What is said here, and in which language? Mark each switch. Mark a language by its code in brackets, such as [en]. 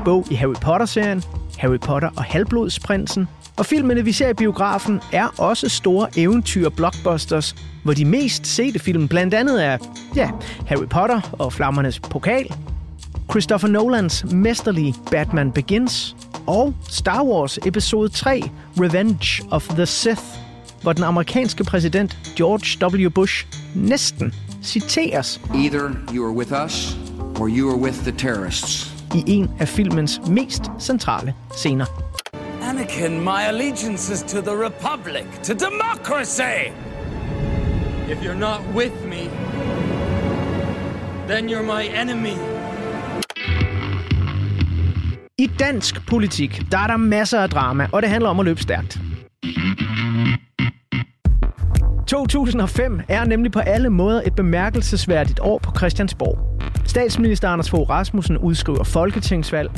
[da] bog i Harry Potter-serien, Harry Potter og Halvblodsprinsen, og filmene, vi ser i biografen, er også store eventyr-blockbusters, hvor de mest sete film blandt andet er, ja, Harry Potter og Flammernes Pokal, Christopher Nolans mesterlige Batman Begins og Star Wars Episode 3 Revenge of the Sith, hvor den amerikanske præsident George W. Bush næsten citeres. [en] Either you are with us, or you are with the terrorists. [da] I en af filmens mest centrale scener. [en] Anakin, my allegiance is to the Republic, to democracy. If you're not with me, then you're my enemy. [da] I dansk politik, der er der masser af drama, og det handler om at løbe stærkt. 2005 er nemlig på alle måder et bemærkelsesværdigt år på Christiansborg. Statsminister Anders Fogh Rasmussen udskriver folketingsvalg.